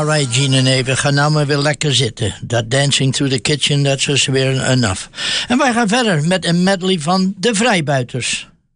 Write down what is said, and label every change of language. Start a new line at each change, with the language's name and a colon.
Dutch: Gene en Eva, ga nou maar weer lekker zitten.
English: That dancing through the kitchen, that's just weer enough.
Dutch: En wij gaan verder met een medley van de Vrijbuiters.